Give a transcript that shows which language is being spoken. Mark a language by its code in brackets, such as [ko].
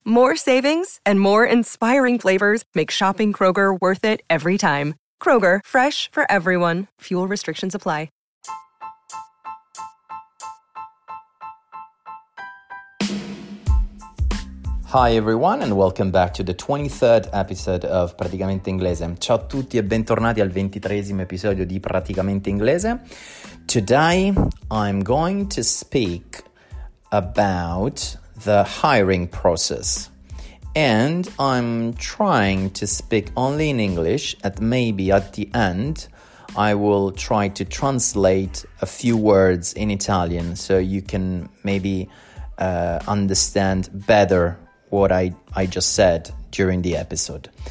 [en] More savings and more inspiring flavors make shopping Kroger worth it every time. Kroger, fresh for everyone. Fuel restrictions apply. Hi everyone and welcome back to the 23rd episode of Praticamente Inglese. [it] Ciao a tutti e bentornati al 23esimo episodio di Praticamente Inglese. [en] Today I'm going to speak about the hiring process. And I'm trying to speak only in English and maybe at the end I will try to translate a few words in Italian so you can maybe understand better what I just said during the episode.